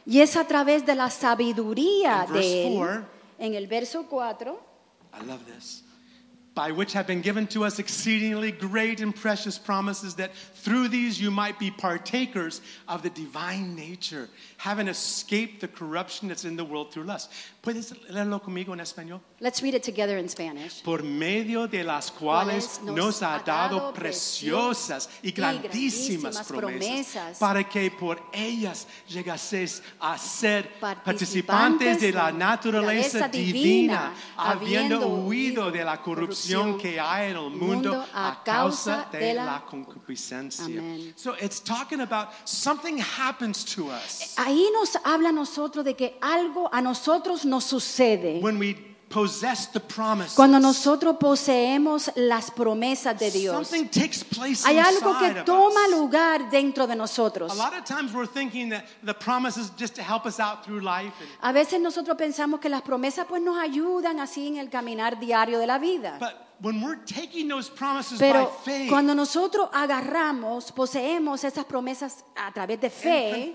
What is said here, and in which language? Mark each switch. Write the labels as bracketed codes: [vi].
[es] Y es a través de la sabiduría de él. [en] In verse 4. [es] En el verso 4. [en] I love this. By which have been given to us exceedingly great and precious promises, that through these you might be partakers of the divine nature, having escaped the corruption that's in the world through lust. [es] ¿Puedes leerlo conmigo en español? [en] Let's read it together in Spanish. [es] Por medio de las cuales nos ha dado preciosas y grandísimas promesas, para que por ellas llegaseis a ser participantes de la naturaleza divina, habiendo huido de la corrupción que hay en el mundo a causa de la concupiscencia. Amen. [en] So it's talking about something happens to us. [es] Ahí nos habla a nosotros de que algo a nosotros nos sucede. [en] When we possess the promises. [es] Cuando nosotros poseemos las promesas de Dios. [en] Something takes place inside. [es] Hay algo que toma lugar dentro de nosotros. [en] A lot of times we're thinking that the promises just to help us out through life. [es] A veces nosotros pensamos que las promesas pues nos ayudan así en el caminar diario de la vida. [en] When we're taking those promises [es] pero [en] by faith, [es] cuando nosotros agarramos, poseemos esas promesas a través de fe